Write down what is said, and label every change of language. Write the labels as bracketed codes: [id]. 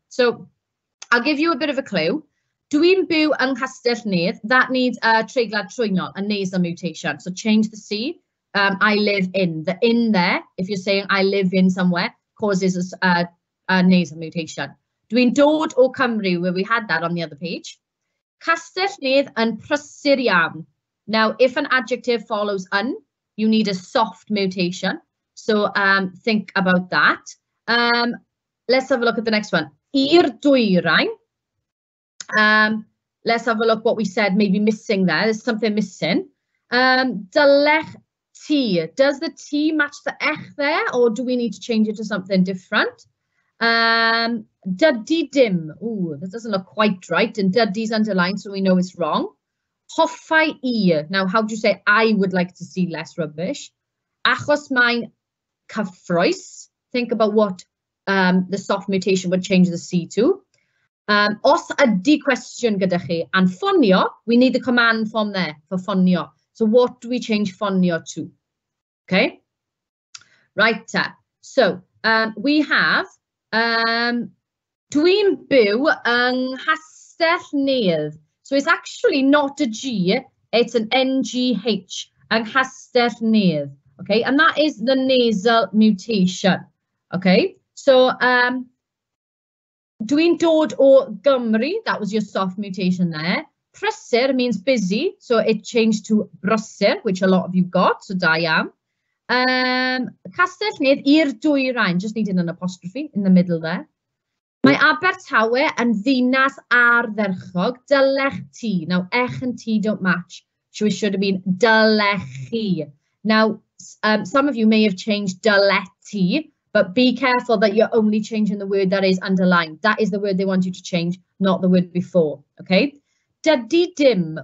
[en] So I'll give you a bit of a clue. [cy] Dwi'n byw yng Nghastellnydd, [en] that needs a [cy] treiglad trwynol, [en] a nasal mutation. So change the C. I live in. The in there, if you're saying I live in somewhere, causes a nasal mutation. [cy] Dwi'n dod o Cymru, [en] where we had that on the other page. [cy] Castellnydd yn prysur iawn. [en] Now, if an adjective follows un, you need a soft mutation. So think about that. Let's have a look at the next one. [cy] I'r dwyrain. [en] Let's have a look what we said, maybe missing there. There's something missing. Dylech T. Does the T match the ech there, or do we need to change it to something different? [cy] Dydy dim. [en] Ooh, that doesn't look quite right. And dydy's underlined, so we know it's wrong. [cy] Hoffai I. [en] Now, how do you say I would like to see less rubbish? [cy] Achos mae'n cyffrous. [en] Think about what the soft mutation would change the C to. [cy] Os ydy [en] question [cy] gyda chi, [en] and ffonio, we need the command form there for ffonio. So what do we change ffonio to? Okay. Right. So we have, [cy] dwi'n byw yng Nghastellnydd. [en] So it's actually not a G, it's an NGH, [cy] yng Nghastellnydd. [en] Okay, and that is the nasal mutation. Okay, so [cy] dwi'n dod o Gymru, [en] that was your soft mutation there. Prysur means busy, so it changed to brysur, which a lot of you got, so [cy] da iawn. Castellnydd i'r dwyrain, [en] just needing an apostrophe in the middle there. [cy] Mae Abertawe yn ddinas ardderchog, dylech ti. [en] Now, ech and ti don't match, so it should have been [cy] dylech chi. [en] Now, some of you may have changed [cy] dylech ti, [en] but be careful that you're only changing the word that is underlined. That is the word they want you to change, not the word before, okay? [cy] Dydy dim.